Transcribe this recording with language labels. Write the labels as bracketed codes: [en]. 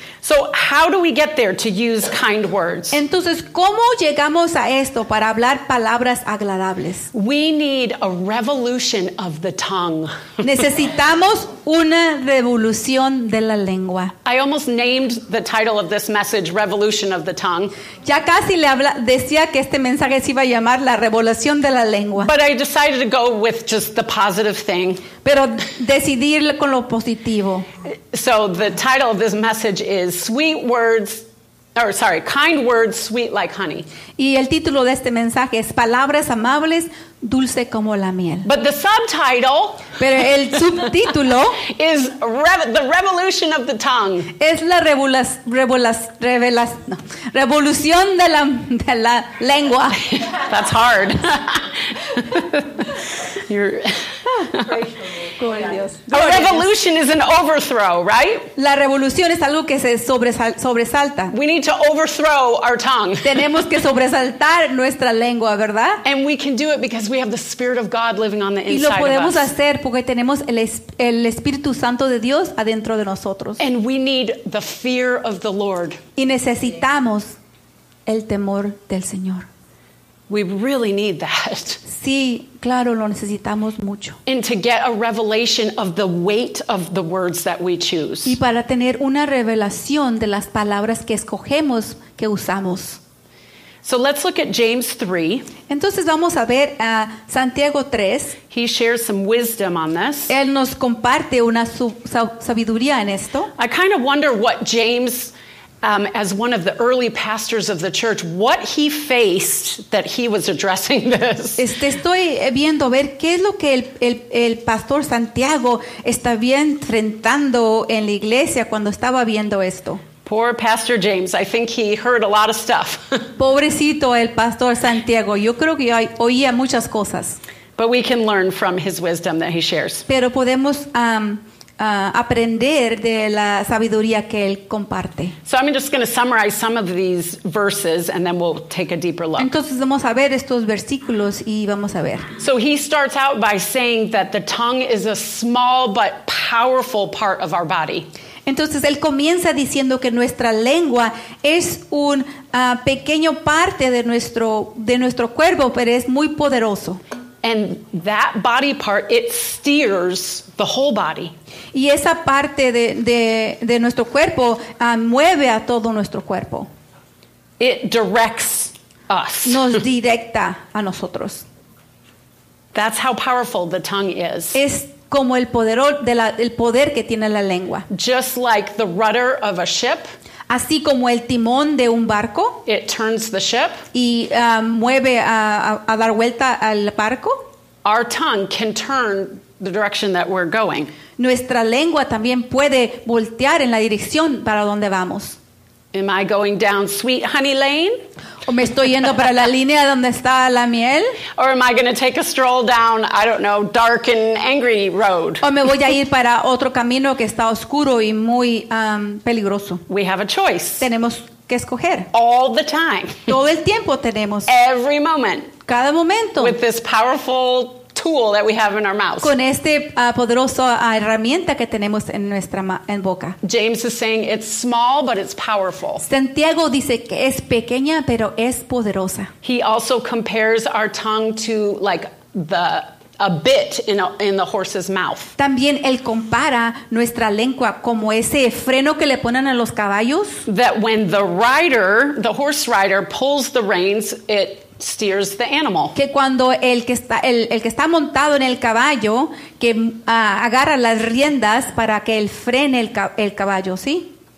[en] So how do we get there to use kind words? [es] Entonces, ¿cómo llegamos a esto para hablar palabras agradables? [en] We need a revolution of the tongue. [es] Necesitamos una revolución de la lengua. [en] I almost named the title of this message Revolution of the Tongue. [es] Ya casi le habla, decía que este mensaje se iba a llamar la revolución de la lengua. [en] But I decided to go with just the positive thing. [es] Pero decidir con lo positivo. [en] So the title of this message is kind words sweet like honey. [es] Y el título de este mensaje es palabras amables dulce como la miel. [en] But the subtitle [es] Pero el subtítulo [en] is the revolution of the tongue. [es] Es la revolución de la lengua. [en] That's hard. You're A revolution is an overthrow, right? [es] La revolución es algo que se sobresalta. [en] We need to overthrow our tongue. [es] Tenemos que sobresaltar nuestra lengua, ¿verdad? [en] And we can do it because we have the Spirit of God living on the inside of us. [es] Y lo podemos hacer porque tenemos el Espíritu Santo de Dios adentro de nosotros. [en] And we need the fear of the Lord. [es] Y necesitamos el temor del Señor. [en] We really need that. [es] Sí, claro, lo necesitamos mucho. [en] And to get a revelation of the weight of the words that we choose. [es] Y para tener una revelación de las palabras que escogemos que usamos. [en] So let's look at James 3. [es] Entonces vamos a ver a Santiago 3. [en] He shares some wisdom on this. [es] Él nos comparte una sabiduría en esto. [en] I kind of wonder what James as one of the early pastors of the church, what he faced that he was addressing this. [es] Estoy viendo ver qué es lo que el pastor Santiago está bien enfrentando en la iglesia cuando estaba viendo esto. [en] Poor Pastor James, I think he heard a lot of stuff. [es] Pobrecito el pastor Santiago, yo creo que oía muchas cosas. [en] But we can learn from his wisdom that he shares. [es] Pero podemos aprender de la sabiduría que él comparte. [en] So I'm just going to summarize some of these verses and then we'll take a deeper look. [es] Entonces vamos a ver estos versículos y vamos a ver. [en] So he starts out by saying that the tongue is a small but powerful part of our body. [es] Entonces él comienza diciendo que nuestra lengua es un pequeño parte de nuestro cuerpo, pero es muy poderoso. [en] And that body part, it steers the whole body. [es] Y esa parte de nuestro cuerpo mueve a todo nuestro cuerpo. [en] It directs us. [es] Nos directa a nosotros. [en] That's how powerful the tongue is. [es] Es como el poder que tiene la lengua. [en] Just like the rudder of a ship. [es] Así como el timón de un barco. [en] It turns the ship. [es] Y mueve a dar vuelta al barco. [en] Our tongue can turn the direction that we're going. [es] Nuestra lengua también puede voltear en la dirección para donde vamos. [en] Am I going down sweet honey lane? [es] ¿O me estoy yendo para la línea donde está la miel? [en] Or am I going to take a stroll down, I don't know, dark and angry road? [es] ¿O me voy a ir para otro camino que está oscuro y muy peligroso? [en] We have a choice. [es] Tenemos que escoger. [en] All the time. [es] Todo el tiempo tenemos. [en] Every moment. [es] Cada momento. [en] With this powerful tool that we have in our mouth. [es] Con este poderoso herramienta que tenemos en nuestra en boca. [en] James is saying it's small but it's powerful. [es] Santiago dice que es pequeña pero es poderosa. [en] He also compares our tongue to like a bit in the horse's mouth. [es] También él compara nuestra lengua como ese freno que le ponen a los caballos. [en] That when the rider, the horse rider pulls the reins, it steers the animal. [es] Que cuando el que está montado en el caballo que agarra las riendas para que él frene el caballo, ¿sí?